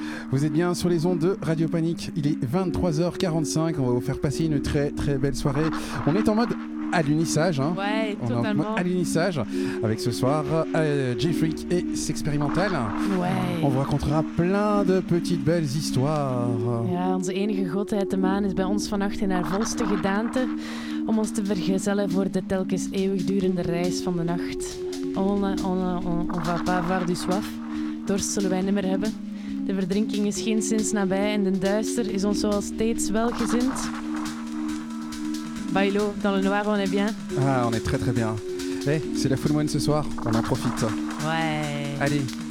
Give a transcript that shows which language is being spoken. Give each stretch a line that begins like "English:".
French: Vous êtes bien sur les ondes de Radio Panique. Il est 23h45. On va vous faire passer une très très belle soirée. On est en mode alunissage. Hein. Ouais, on totalement. Est en mode alunissage avec ce soir J-Freak et Sexperimental. Ouais. On vous racontera plein de petites belles histoires.
Dutch: Ja, onze enige godheid, de maan, is bij ons vannacht in haar volste gedaante om ons te vergezellen voor de telkens eeuwigdurende reis van de nacht.
French: On va pas avoir du soif.
Dutch: Dorst zullen wij nimmer hebben. De verdrinking is geenszins nabij en de duister is ons zoals steeds welgezind.
French: Bailo, dans le noir, on est bien. Ah, on est très très bien. Hé, hey, c'est la full moon ce soir, on en profite. Ouais. Allez.